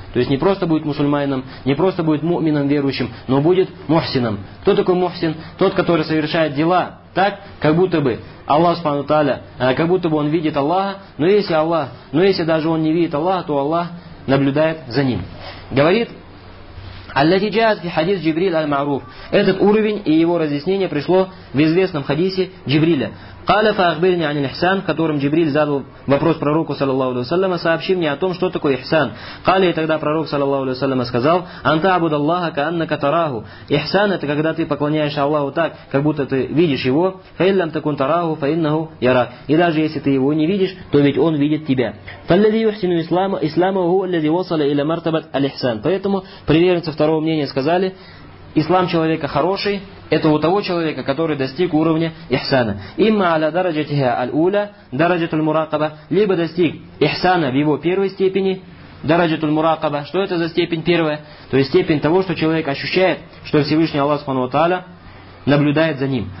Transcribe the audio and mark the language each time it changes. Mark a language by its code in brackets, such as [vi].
[ru] То есть не просто будет мусульманином, не просто будет муъмином верующим, но будет мухсином. Кто такой мухсин? Тот, который совершает дела так, как будто бы Аллах субхана ва тааля, как будто бы он видит Аллаха, но если даже он не видит Аллаха, то Аллах наблюдает за ним. Говорит [ar] التي جاءت في حديث جبريل المعروف. [ru] Этот уровень и его разъяснение пришло в известном хадисе Джибриля. [ar] قال فأخبرني عن الإحسان, [ru] которым Джибриль задал вопрос пророку саллаллаху алейхи ва саллям, сообщи мне о том, что такое ихсан. قال, и тогда пророк саллаллаху алейхи ва саллям сказал: [ar] анта абуда Аллаха кааннака тараху. [ru] Ихсан — это когда ты поклоняешься Аллаху так, как будто ты видишь его. [ar] Фаиллам такун тараху фаиннаху ярак. [ru] И даже если ты его не видишь, то ведь он видит тебя. [ar] فالذي يحسن إسلامه هو الذي وصل إلى مرتبة الإحسان. [ru] Поэтому приверженцы второго мнения сказали: ислам человека хороший — это у того человека, который достиг уровня ихсана. [ar] Имма аля дараджатиха аль-уля, дараджатуль мураакаба, [ru] либо достиг ихсана в его первой степени, [ar] дараджатуль мураакаба. [ru] Что это за степень первая? То есть степень того, что человек ощущает, что Всевышний Аллах субхана ва тааля наблюдает за ним.